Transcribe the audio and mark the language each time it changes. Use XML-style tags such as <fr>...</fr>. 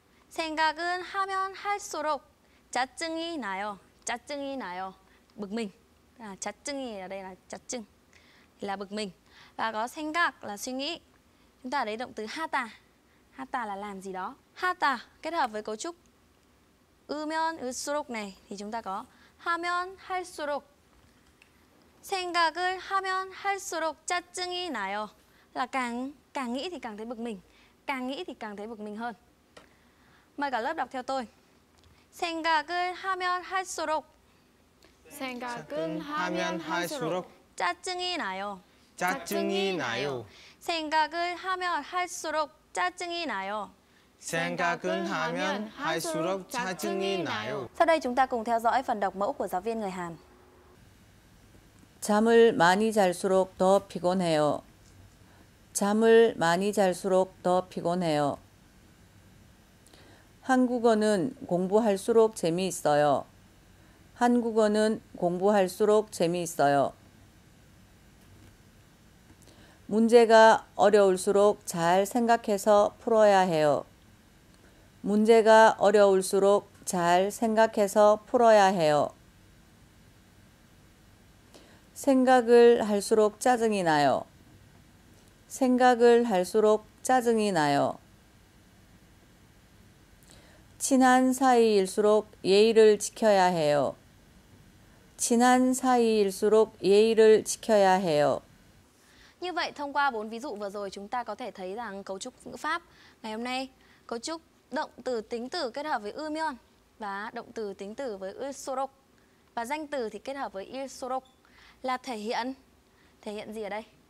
<ko>생각은 하면 할수록 짜증이 나요. 짜증이 나요.</ko> <vi>Bực mình. 짜증이 ở đây là 짜증. Là bực mình. Và có 생각 là suy nghĩ. Chúng ta lấy động từ 하다. 하다 là làm gì đó. 하다 kết hợp với cấu trúc</vi> <ko>으면 을수록</ko> <vi>này thì chúng ta có</vi> <ko>하면 할수록. 생각을 하면 할수록 짜증이 나요.</ko> <vi>Là càng nghĩ thì càng thấy bực mình. Càng nghĩ thì càng thấy bực mình hơn. Mời cả lớp đọc theo tôi.</vi> <ko>생각을 하면 할수록 생각은 하면 할수록 짜증이 나요. 짜증이 나요. 생각을 하면 할수록 짜증이 나요. 생각은 하면 할수록 짜증이 나요.</ko> <vi>Sau đây chúng ta cùng theo dõi phần đọc mẫu của giáo viên người Hàn.</vi> <ko>잠을 많이 잘수록 더 피곤해요. 잠을 많이 잘수록 더 피곤해요. 한국어는 공부할수록 재미있어요. 한국어는 공부할수록 재미있어요. 문제가 어려울수록 잘 생각해서 풀어야 해요. 문제가 어려울수록 잘 생각해서 풀어야 해요. 생각을 할수록 짜증이 나요. 생각을 할수록 짜증이 나요. 친한 사이일수록 예의를 지켜야 해요. 친한 사이일수록 예의를 지켜야 해요.</ko> <vi>Như vậy thông qua 4 ví dụ vừa rồi chúng ta có thể thấy rằng cấu trúc ngữ pháp ngày hôm nay cấu trúc động từ tính từ kết hợp với 으면 và động từ tính từ với 을수록 và danh từ thì kết hợp với 일수록 là thể hiện gì ở đây?</vi>